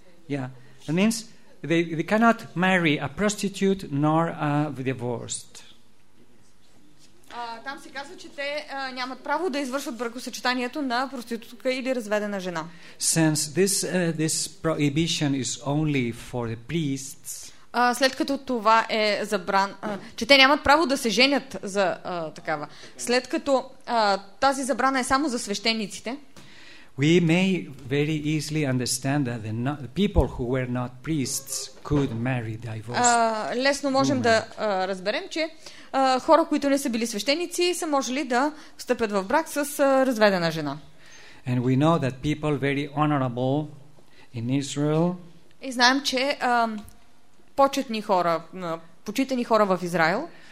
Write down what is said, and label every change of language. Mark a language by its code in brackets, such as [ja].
[en] Yeah. That means they cannot marry a prostitute nor a divorced. [bg] Там се казва, че те нямат право да извършват бракосъчетанието на проститутка или разведена жена. [en] Since this prohibition is only for the priests. [bg] След като това е забран, че те нямат право да се женят за такава. След като тази забрана е само за свещениците. [en] We may very easily understand that the people who were not priests could marry divorced. [bg] Лесно можем да разберем, че хора, които не са били свещеници, са можели да встъпят в брак с разведена жена. [en] And we know that people very honorable in Israel. [bg] И знаем, че почетни хора, почитани хора в Израел,